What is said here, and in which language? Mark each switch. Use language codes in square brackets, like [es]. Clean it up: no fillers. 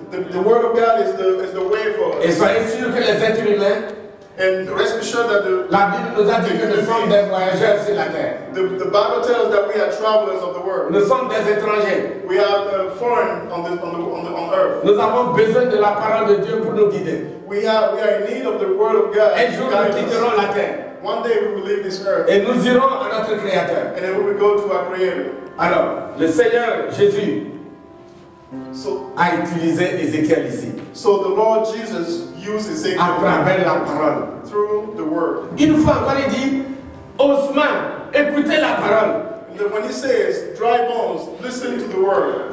[en] The word of God is the way for us. [fr] Et soyez sûrs que les êtres humains, [en] and rest assured that [fr] la Bible nous a dit que nous sommes des voyageurs sur la terre. [en] The Bible tells that we are travelers of the world. [fr] Nous sommes des étrangers. [en] We are foreign on earth. [fr] Nous avons besoin de la parole de Dieu pour nous guider. [en] We are in need of the word of God. [fr] Un jour nous quitterons la terre. [en] One day we will leave this earth. [fr] Et nous irons à notre Créateur. [en] And then we will go to our Creator. [fr] Alors, le Seigneur Jésus [en] so, [fr] a utilisé Ézéchiel ici. [en] So the Lord Jesus uses it [fr] à travers la parole. [en] Through the word. [fr] Une fois encore, il dit, Osman, écoutez la parole. [en] Then when he says, dry bones, listen to the word.